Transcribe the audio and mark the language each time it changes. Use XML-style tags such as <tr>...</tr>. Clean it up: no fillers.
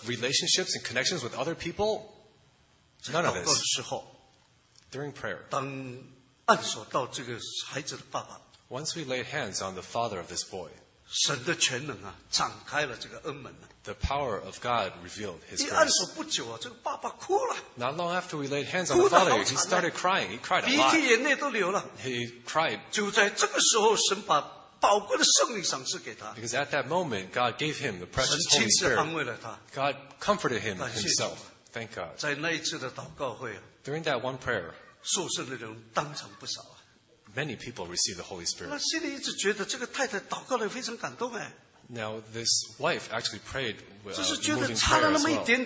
<en>Relationships and connections with other people? None of this. During prayer,</en> <zh>当按手到这个孩子的爸爸,</zh> <en>once we laid hands on the father of this boy,</en> <zh>神的全能啊, 展开了这个恩门啊,</zh> <en>the power of God revealed his grace.</en> <zh>一按手不久啊, 这个爸爸哭了,</zh> <en>not long after we laid hands on the father, he started crying. He cried a lot.</en> <zh>鼻涕眼泪都流了,</zh> <en>he cried.</en> <zh>就在这个时候神把宝贵的圣灵赏赐给他,</zh> <en>because at that moment, God gave him the precious Holy Spirit.</en> <zh>神亲自安慰了他,</zh> <en>God comforted him himself. Thank God.</en> <zh>在那一次的祷告会啊,</zh> <en>during that one prayer,</en> <zh>受圣的人当场不少啊,</zh> <en>many people received the Holy Spirit.</en> <zh>那心里一直觉得这个太太祷告得非常感动啊,</zh> <en>now, this wife actually prayed with a moving prayer as well.</en>